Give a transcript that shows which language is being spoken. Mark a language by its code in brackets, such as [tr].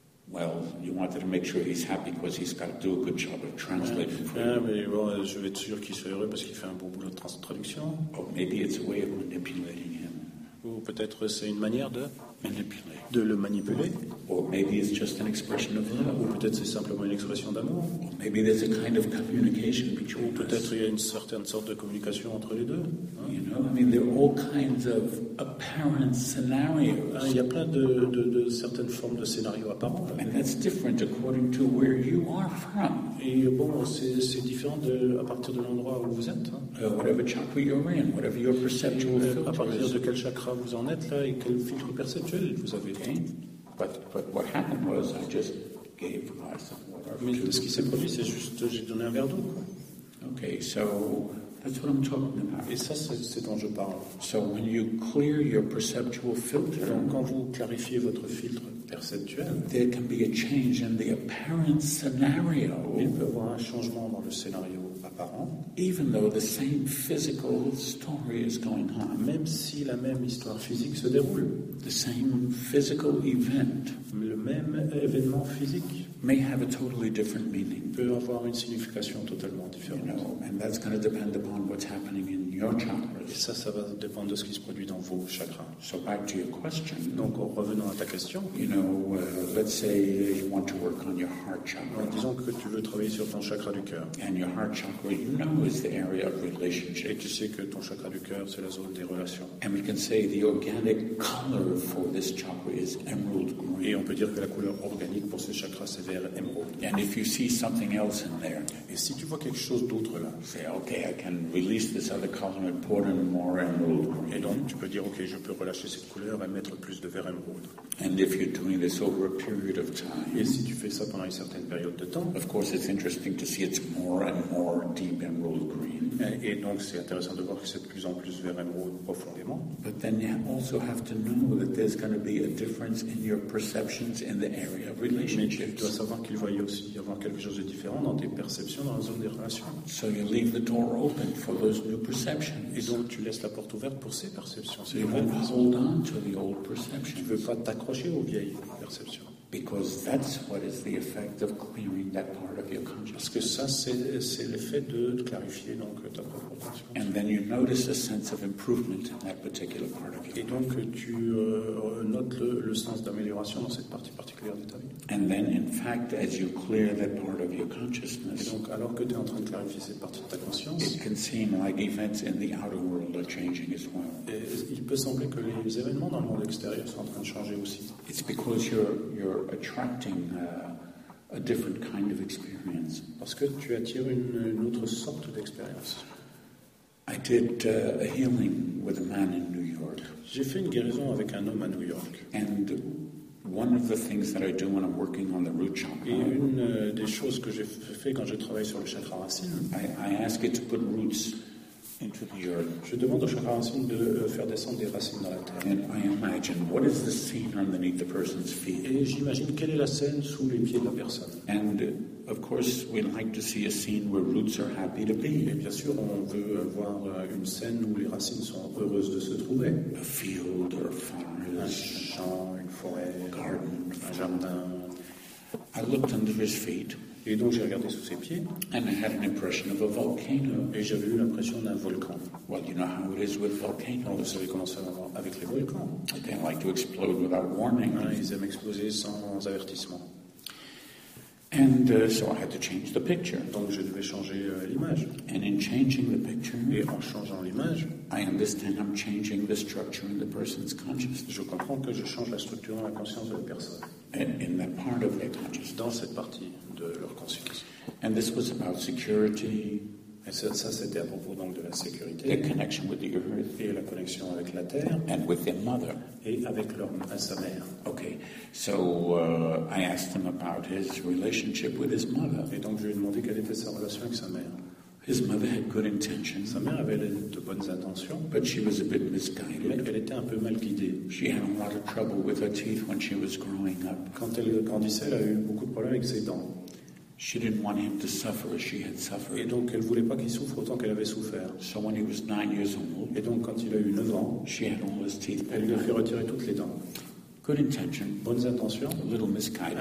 [en] Well, you wanted to make sure he's happy because he's got to do a good job of translating for you. [fr] Mais bon, je vais être sûr qu'il soit heureux parce qu'il fait un bon boulot de traduction. [en] Or maybe it's a way of manipulating him. [fr] Ou peut-être c'est une manière de manipuler. De le manipuler. [en] Or maybe it's just an expression of love. [fr] Ou peut-être c'est simplement une expression d'amour. [en] Or maybe there's a kind of communication between. [fr] Ou peut-être il y a une certaine sorte de communication entre les deux. [en] You know, I mean, there are all kinds of apparent scenarios. [fr] Il y a plein de certaines formes de scénarios apparents. [en] And that's different according to where you are from. [fr] Et bon, c'est différent de à partir de l'endroit où vous êtes. [en] Whatever chakra you're in, whatever your perceptual filter. [fr] À partir de quel chakra vous en êtes là et quel filtre perceptuel vous avez. [en] But what happened was I just gave a glass of water. [fr] Mais ce qui s'est produit, c'est juste j'ai donné un verre d'eau. [en] Okay, so that's what I'm talking about. [fr] Et ça, c'est dont je parle. [en] So when you clear your perceptual filter, [fr] donc quand vous clarifiez votre filtre perceptuel, [en] there can be a change in the apparent scenario. [fr] Il peut y avoir un changement dans le scénario apparent, [en] even though the same physical story is going on. [fr] Même si la même histoire physique se déroule. [en] The same physical event, [fr] le même événement physique, [en] may have a totally different meaning. [fr] Peut avoir une signification totalement différente. [en] You know, and that's going to depend upon what's happening in your chakras. [fr] Et ça va dépendre de ce qui se produit dans vos chakras. [en] So back to your question. [fr] Donc revenons à ta question. [en] You know, let's say you want to work on your heart chakra. [fr] Alors, disons que tu veux travailler sur ton chakra du cœur. [en] And your heart chakra, you know, is the area of relationship. [fr] Et tu sais que ton chakra du cœur, c'est la zone des relations. [en] And we can say the organic color for this chakra is emerald green. [fr] Et on peut dire que la couleur organique pour ce chakra, c'est vert émeraude. [en] And if you see something else in there, [fr] et si tu vois quelque chose d'autre là, [en] say, okay, I can release this other color and put in more emerald green. [fr] Et donc tu peux dire, okay, je peux relâcher cette couleur et mettre plus de vert émeraude. [en] And if you're doing this over a period of time, [fr] et si tu fais ça pendant une certaine période de temps, [en] of course it's interesting to see it's more and more deep emerald green. [fr] Et donc c'est intéressant de voir que c'est de plus en plus vert émeraude profondément. [en] But then you also have to know that there's going to be a difference in your perceptions in the area of relationships. [fr] Savoir qu'il voyait aussi y avoir quelque chose de différent dans tes perceptions dans la zone des relations. [en] So you leave the door open for those new perceptions. [fr] Et donc tu laisses la porte ouverte pour ces perceptions. [en] You won't hold on to the old perceptions. [fr] Tu ne veux pas t'accrocher aux vieilles perceptions. [en] Because that's what is the effect of clearing that part of your consciousness. [fr] Parce que ça c'est l'effet de clarifier donc ta propre conscience. [en] And then you notice a sense of improvement in that particular part of your. [fr] Et donc tu notes le sens d'amélioration dans cette partie particulière de ta vie. [en] And then in fact as you clear that part of your consciousness. [fr] Et donc alors que tu es en train de clarifier cette partie de ta conscience. [en] It can seem like events in the outer world are changing as well. [fr] Et il peut sembler que les événements dans le monde extérieur sont en train de changer aussi. [en] It's because you're attracting a different kind of experience. [fr] Parce que tu attires une autre sorte d'expérience. [en] I did a healing with a man in New York. [fr] J'ai fait une guérison avec un homme à New York. [en] And one of the things that I do when I'm working on the root chakra. [fr] Et une des choses que j'ai fait quand je travaille sur le chakra racine. [en] I ask it to put roots into the earth. [fr] Je demande au chakra racine de faire descendre des racines dans la terre. [en] And I imagine what is the scene underneath the person's feet. [fr] Et j'imagine quelle est la scène sous les pieds de la personne. [en] And of course, we like to see a scene where roots are happy to be. [fr] Et bien sûr, on veut voir une scène où les racines sont heureuses de se trouver. [en] A field or a forest. Garden. I looked under his feet. [fr] Et donc j'ai regardé sous ses pieds. [en] And I had an impression of a volcano. [fr] Et j'avais eu l'impression d'un volcan. [en] Well, you know how it is with volcanoes. [fr] Vous savez comment ça va avec les volcans. [en] They like to explode without warning. [fr] Ils aiment exploser sans avertissement. [en] And so I had to change the picture. [fr] Donc je devais changer l'image. [en] And in changing the picture, [fr] et en changeant l'image, [en] I understand I'm changing the structure in the person's consciousness. [fr] Je comprends que je change la structure dans la conscience de la personne. [en] And in that part of their consciousness. [fr] Dans cette partie de leur conscience. [en] And this was about security. [fr] Et ça c'était à propos donc de la sécurité. [en] The connection with the earth. [fr] Et la connexion avec la terre. [en] And with their mother. [fr] Et avec leur à sa mère. [en] Okay, so I asked him about his relationship with his mother. [fr] Et donc je lui ai demandé quelle était sa relation avec sa mère. [en] His mother had good intentions. [fr] Sa mère avait de bonnes intentions. [en] But she was a bit misguided. [fr] Mais elle était un peu mal guidée. [en] She had a lot of trouble with her teeth when she was growing up. [fr] Quand elle grandissait, elle a eu beaucoup de problèmes avec ses dents. [en] She didn't want him to suffer as she had suffered. [fr] Et donc elle voulait pas qu'il souffre autant qu'elle avait souffert. [en] So when he was 9 years old. [fr] Et donc quand il a eu 9 ans, [en] she had all his teeth. [fr] Elle lui a fait retirer toutes les dents. [en] Good intention. [fr] Bonnes intentions. [en] A little misguided.